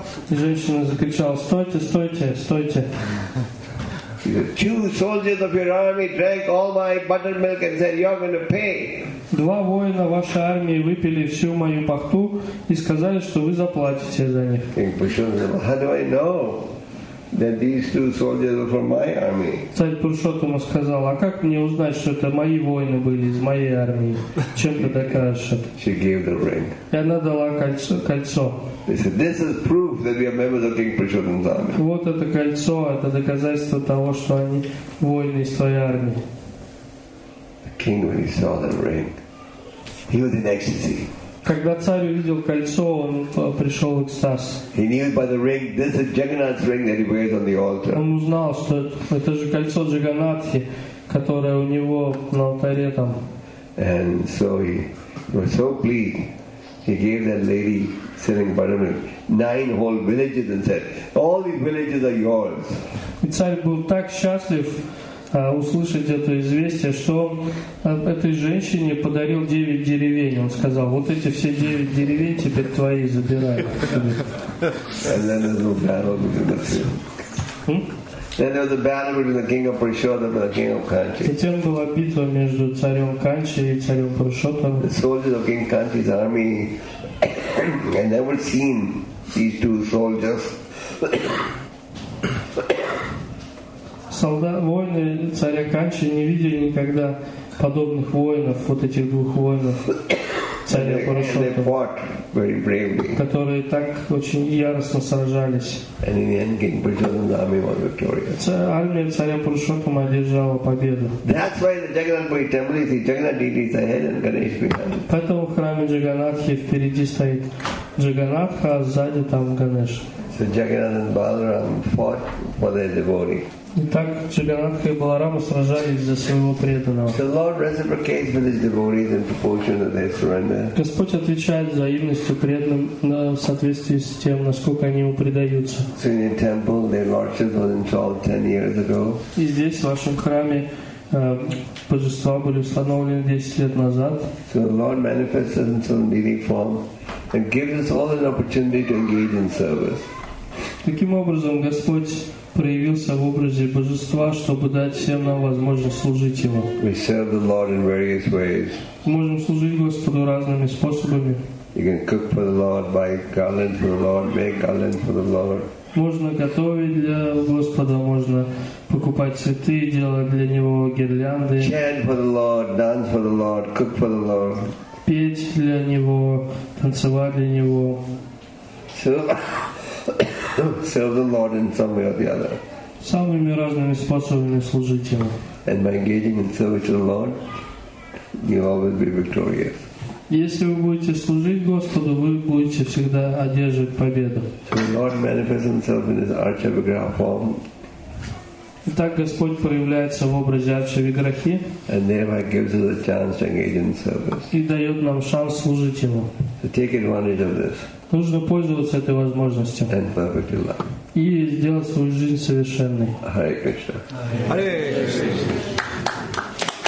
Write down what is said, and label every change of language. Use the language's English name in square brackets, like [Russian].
[Russian] И женщина закричала, стойте! [English] Two soldiers of your army drank all my buttermilk and said, "You're going to pay." [Russian] Два воина вашей армии выпили всю мою пахту и сказали, что вы заплатите за них. [English] King Purushottama said, "How do I know that these two soldiers are from my army?" [Russian] Царь Пурушоттама сказал, а как мне узнать, что это мои воины были из моей армии? Чем ты докажешь это? [English] She gave the ring. [Russian] И она дала кольцо. [English] They said, "This is proof that we are members of King Purushottama's army." [Russian] Вот это кольцо, это доказательство того, что они воины из твоей армии. [English] The king, when he saw the ring, he was in ecstasy. [Russian] Когда царь увидел кольцо, он пришел в экстаз. [English] He knew by the ring, this is Jagannath's ring that he wears on the altar. [Russian] Он узнал, что это же кольцо Джаганнатхи, которое у него на алтаре там. [English] And so he was so pleased. He gave that lady selling buttermilk 9 whole villages and said, "All these villages are yours." [Russian] И царь был так счастлив услышать это известие, что этой женщине подарил 9 деревень. Он сказал, вот эти все 9 деревень теперь твои, забирай. [English] And then there was a battle between the two. Then there was a battle between the king of Purushottama and the king of Kanchi. [Russian] И тем была битва между царем Канчи и царем Пуршоттама. [English] The soldiers of King Kanchi's army had never seen these two soldiers. [Russian] Воины царя Канчи не видели никогда подобных воинов, вот этих двух воинов царя Пурушоттама, которые так очень яростно сражались. Армия царя Пурушоттама одержала победу. Поэтому в храме Джаганнатхи впереди стоит Джаганнатха, а сзади там Ганеш. [English] So Jagannath and Balaram fought for their devotee. [Russian] Итак, Джаганнатха и Баларама сражались за своего преданного. [English] The Lord reciprocates with his devotees in proportion to their surrender. [Russian] Господь отвечает взаимностью преданным в соответствии с тем, насколько они ему предаются. [English] So in the temple, their lordship was installed 10 years ago. [Russian] И здесь, в вашем храме, божества были установлены 10 лет назад. [English] So the Lord manifests in some unique form and gives us all an opportunity to engage in service. [Russian] Таким образом, Господь проявился в образе божества, чтобы дать всем нам возможность служить Ему. [English] We serve the Lord in various ways. [Russian] Можем служить Господу разными способами. [English] You can cook for the Lord, buy garland for the Lord, make garland for the Lord. [Russian] Можно готовить для Господа, можно покупать цветы, делать для Него гирлянды. [English] Chant for the Lord, dance for the Lord, cook for the Lord. [Russian] Петь для Него, танцевать для Него. [English] Serve the Lord in some way or the other. [Russian] Самыми разными способами служить Ему. [English] And by engaging in service to the Lord, you will always be victorious. [Russian] Если вы будете служить Господу, вы будете всегда одерживать победу. [English] So the Lord manifests Himself in His Archa-Vigraha form. [Russian] Итак, Господь проявляется в образе Арчи-Виграхи. [English] And thereby gives us a chance to engage in service. [Russian] И дает нам шанс служить Ему. [English] So take advantage of this. [Russian] Нужно пользоваться этой возможностью. [English] And perfectly love. [Russian] И сделать свою жизнь совершенной. [Sanskrit] Hare Krishna. Hare Krishna.